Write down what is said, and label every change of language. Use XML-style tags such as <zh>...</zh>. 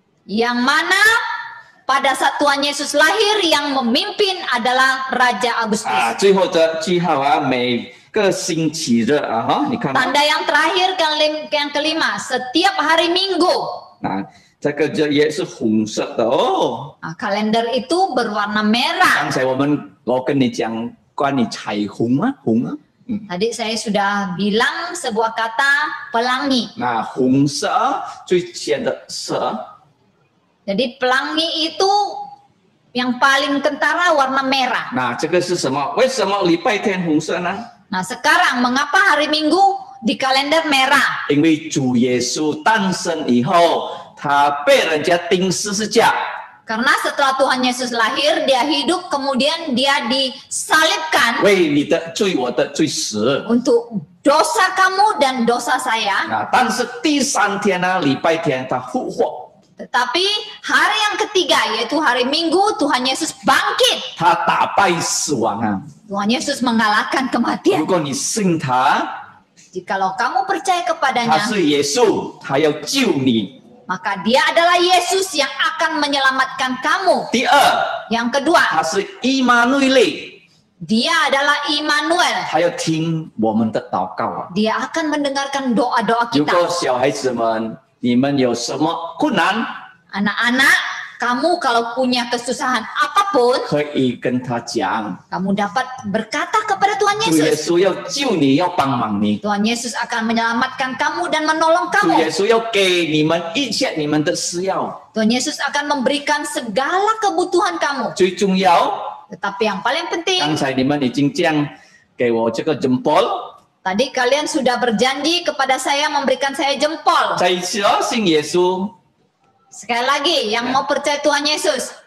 <id>Yang mana pada saat Tuhan Yesus lahir yang memimpin adalah Raja Agustus.</id> <zh>啊，最后的记号啊，每 个星期日啊，哈，你看。</zh> <id>Tanda yang terakhir yang kelima, setiap hari Minggu.</id> <zh>啊。这个日月是红色的哦。</zh> <id>Kalender itu berwarna merah.</id> <zh>刚才我跟你讲关于彩虹啊，红啊。</zh> <id>Tadi saya sudah bilang sebuah kata pelangi.</id> <zh>那红色最浅的色。</zh> <id>Jadi pelangi itu yang paling kentara warna merah.</id> <zh>那这个是什么？为什么礼拜天红色呢？</zh> <id>Nah, sekarang mengapa hari Minggu di kalender merah?</id> <zh>因为主耶稣诞生以后。他被人家钉十字架。</zh> <id>Karena setelah Tuhan Yesus lahir, dia hidup, kemudian dia disalibkan.</id> <zh>为你的罪，我的罪死。</zh> <id>Untuk dosa kamu dan dosa saya.</id> <zh>但是第三天呢，礼拜天他复活。</zh> <id>Tetapi hari yang ketiga, yaitu hari Minggu, Tuhan Yesus bangkit.</id> <zh>他打败死亡啊。</zh> <id>Tuhan Yesus mengalahkan kematian.</id> <zh>如果你信他。</zh> <id>Jikalau kamu percaya kepadanya.</id> <zh>他是耶稣，他要救你。</zh> <id>Maka dia adalah Yesus yang akan menyelamatkan kamu.</id> <zh>第二,</zh> <id>yang kedua.</id> <zh>他是Immanuel.</zh> <id>Dia adalah Immanuel.</id> <zh>他要听我们的祷告。</zh> <id>Dia akan mendengarkan doa-doa kita.</id> <zh>如果小孩子们，你们有什么困难？</zh> <id>Anak-anak, kamu kalau punya kesusahan apapun.</id> <zh>可以跟他讲。</zh> <id>Kamu dapat berkata kepada Tuhan Yesus.</id> <zh>主耶稣要救你，要帮忙你。</zh> <id>Tuhan Yesus akan menyelamatkan kamu dan menolong kamu.</id> <zh>主耶稣要给你们一切你们的需要。</zh> <id>Tuhan Yesus akan memberikan segala kebutuhan kamu.</id> <zh>最重要。</zh> <id>Tetapi yang paling penting.</id> <zh>刚才你们已经这样给我这个jempol。</zh> <id>Tadi kalian sudah berjanji kepada saya memberikan saya jempol.</id> <zh>再一次哦，信耶稣。</zh> <id>Sekali lagi, yang mau percaya Tuhan Yesus.</id>